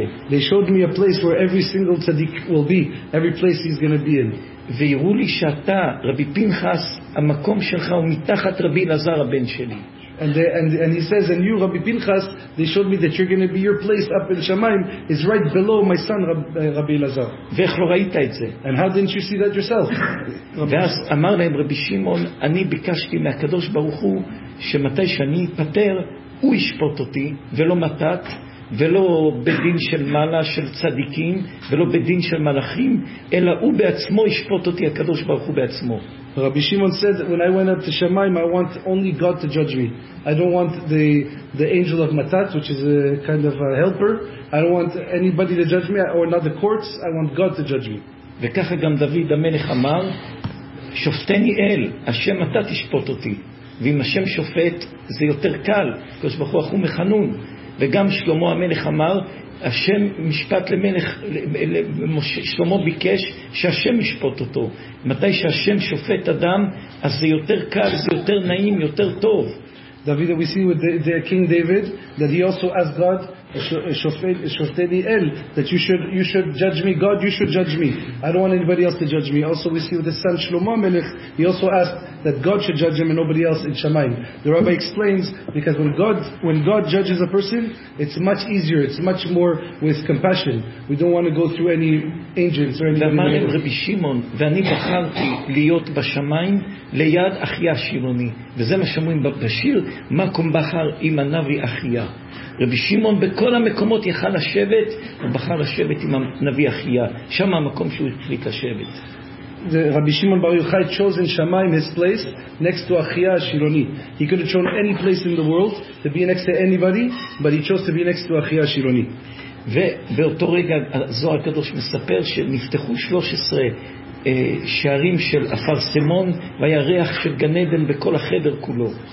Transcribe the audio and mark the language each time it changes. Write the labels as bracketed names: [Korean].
[English] They showed me a place where every single tzaddik will be, every place he's going to be in. [Hebrew] ויראו לי שאתה, רבי פינחס, המקום שלך הוא מתחת רבי אלעזר הבן שלי. [English] And he says, and you, Rabbi Pinchas, they showed me that you're going to be, your place up in Shamayim is right below my son, Rabbi Elazar. [Hebrew] ואיך לא ראית את זה? [English] And how didn't you see that yourself? [Hebrew] ואז אמר להם רבי שמעון, אני ביקשתי מהקדוש ברוך הוא שמתי שאני פטר, הוא ישפוט אותי, ולא מתת, ולא בדין של מעלה של צדיקים, ולא בדין של מלאכים, אלא הוא בעצמו ישפוט אותי, הקדוש ברוך הוא בעצמו. [English] Rabbi Shimon said, when I went up to Shamayim, I want only God to judge me. I don't want the angel of Matat, which is a kind of a helper. I don't want anybody to judge me, or not the courts. I want God to judge me. [Hebrew] וככה גם דוד המלך אמר, שופטני אל, השם אתה תשפוט אותי. ואם השם שופט, זה יותר קל, קדוש ברוך הוא מחנון. וגם שלמה המלך אמר, השם משפט למלך, שלמה ביקש שהשם ישפוט אותו. מתי שהשם שופט אדם, אז זה יותר קל, זה יותר נעים, יותר טוב. [English] David, we see with the King David that he also asked God, [Hebrew] שופטני אל, [English] that you should judge me, God, you should judge me. I don't want anybody else to judge me. Also, we see with his son Shlomo Melech, he also asked that God should judge him and nobody else in Shamayim. The rabbi explains, because when God judges a person, it's much easier, it's much more with compassion. We don't want to go through any agents or anything. [Hebrew] ואמר רבי שמעון, ואני בחרתי להיות בשמיים ליד אחיה שמעוני. וזה מה שאומרים בשיר, מקום בחר עם הנביא אחיה. רבי שמעון בכל המקומות יכל לשבת, הוא בחר לשבת עם הנביא אחיה, שם המקום שהוא החליט לשבת. [English] רבי שמעון בר יוחאי chose in Shamayim his place next to Achiya Shiloni. He could have chosen any place in the world to be next to anybody, but he chose to be next to Achiya Shiloni. [Hebrew] ובאותו רגע הזוהר הקדוש מספר שנפתחו 13 שערים של אפר סמון והיה ריח של גן עדן בכל החדר כולו.